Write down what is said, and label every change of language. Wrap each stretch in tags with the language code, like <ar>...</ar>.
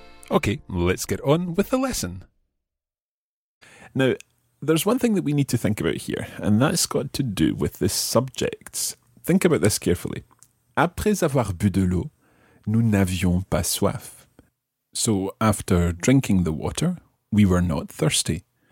<en>Okay, let's get on with the lesson. Now, there's one thing that we need to think about here, and that's got to do with the subjects. Think about this carefully.</en> <fr>Après avoir bu de l'eau, nous n'avions pas soif.</fr> <en>So, after drinking the water, we were not thirsty.</en>